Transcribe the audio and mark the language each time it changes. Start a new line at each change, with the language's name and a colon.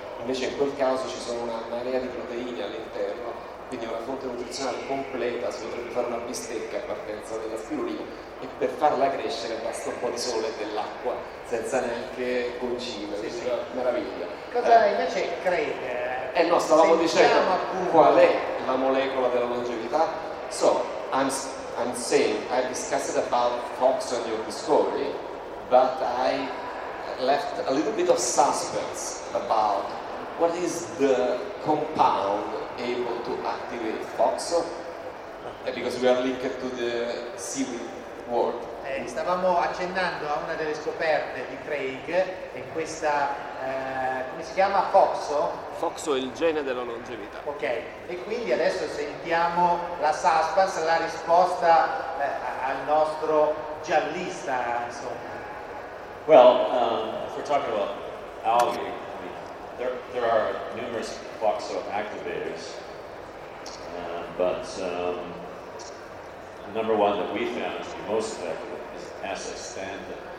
Italian: invece in quel caso ci sono una marea di proteine all'interno, quindi una fonte nutrizionale completa, si potrebbe fare una bistecca a partenza della spirulina, e per farla crescere basta un po' di sole e dell'acqua senza neanche cucina, sì, sì. Meraviglia. Cosa invece crede? No, stavamo dicendo appunto, qual è la molecola della longevità?
English: So, I'm saying, I discussed about Fox and your discovery, but I left a little bit of suspense about what is the compound able to activate FOXO, because we are linked to the seaweed world.
Italian: Stavamo accennando a una delle scoperte di Craig, e questa, come si chiama, FOXO? FOXO è il gene della longevità. Ok, e quindi adesso sentiamo la suspense, la risposta al nostro giallista, insomma.
English: Well, if we're talking about algae, I mean, there are numerous FOXO activators, but the number one that we found to be most effective is astaxanthin.